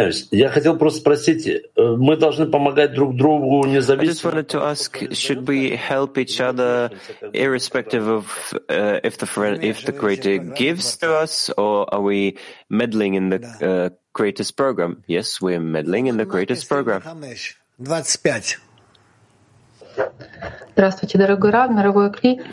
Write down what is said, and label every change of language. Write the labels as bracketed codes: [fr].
[ru] Я хотел просто спросить, мы должны помогать друг другу независимо. [en] I just wanted to ask, should we help each other irrespective of if the Creator gives to us, or are we meddling in the Creator's program? Yes, we're meddling in the Creator's program. 25. [ru] Здравствуйте, дорогой Рав, мировой Кли.